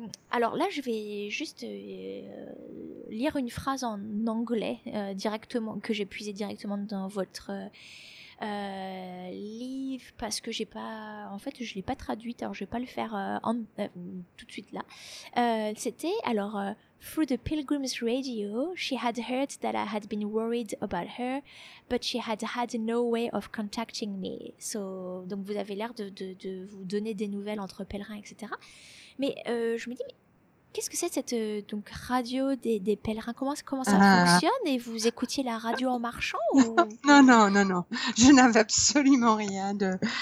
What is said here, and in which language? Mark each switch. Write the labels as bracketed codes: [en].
[fr] Alors là, je vais juste lire une phrase en anglais directement que j'ai puisée directement dans votre livre parce que j'ai pas, en fait, je l'ai pas traduite. Alors je vais pas le faire tout de suite là. [en] Through the pilgrim's radio, she had heard that I had been worried about her, but she had had no way of contacting me. [fr] Donc vous avez l'air de vous donner des nouvelles entre pèlerins, etc. Mais je me dis, mais qu'est-ce que c'est cette radio des pèlerins? Comment ça fonctionne? Et vous écoutiez la radio en marchant ou... Non. Je n'avais absolument rien de...